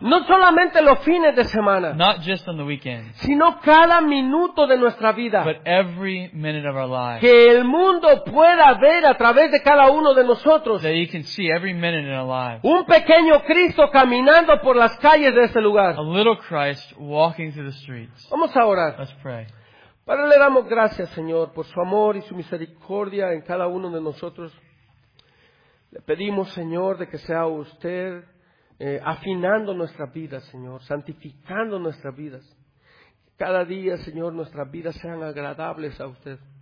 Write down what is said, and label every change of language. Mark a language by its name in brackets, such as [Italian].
[Spanish] No solamente los fines de semana. [English] Not just on the weekend. [Spanish] Sino cada minuto de nuestra vida. [English] But every minute of our life. [Spanish] Que el mundo pueda ver a través de cada uno de nosotros. [English] That you can see every minute in our lives. [Spanish] Un pequeño Cristo caminando por las calles de este lugar. [English] A little Christ walking through the streets. [Spanish] Vamos a orar. [English] Let's pray. [Spanish] Padre, le damos gracias, Señor, por su amor y su misericordia en cada uno de nosotros. Le pedimos, Señor, de que sea usted afinando nuestras vidas, Señor, santificando nuestras vidas. Cada día, Señor, nuestras vidas sean agradables a usted.